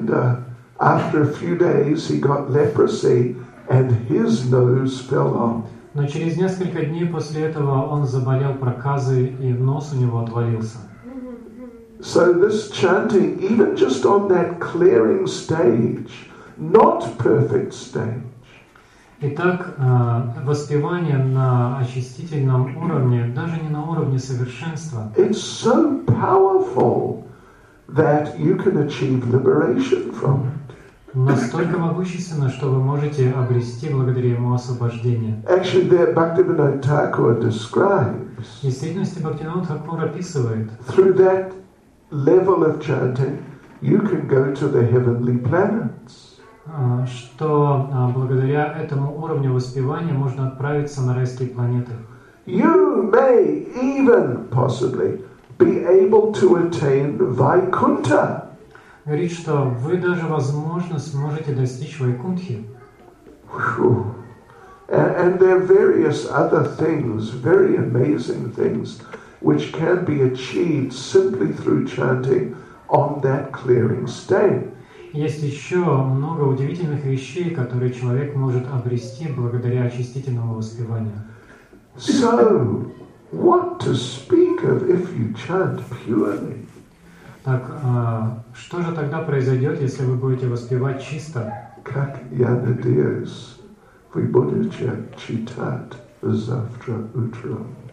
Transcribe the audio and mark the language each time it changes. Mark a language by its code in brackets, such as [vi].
[en] And after a few days, he got leprosy, and his nose fell off. [ru] Но через несколько дней после этого он заболел проказой, и нос у него отвалился. [en] So this chanting, even just on that clearing stage, not perfect stage. [ru] Итак, воспевание на очистительном уровне, даже не на уровне совершенства. [en] It's so powerful that you can achieve liberation from it. [ru] Настолько могущественно, что вы можете обрести благодаря ему освобождение. [en] Actually, there Bhaktivinoda Thakur describes. [ru] В действительности Бхактивинода Тхакур описывает. [en] Through that level of chanting, you can go to the heavenly planets. [ru] Что благодаря этому уровню воспевания можно отправиться на райские планеты. [en] You may even possibly be able to attain Vaikuntha. [ru] Говорит, что вы даже, возможно, сможете достичь Вайкунтхи. [en] And there are various other things, very amazing things, which can be achieved simply through chanting on that clearing stage. [ru] Есть еще много удивительных вещей, которые человек может обрести благодаря очистительному воспеванию. [en] So, what to speak of if you chant purely? [ru] Так, что же тогда произойдет, если вы будете воспевать чисто? Как я надеюсь, вы будете читать завтра утром.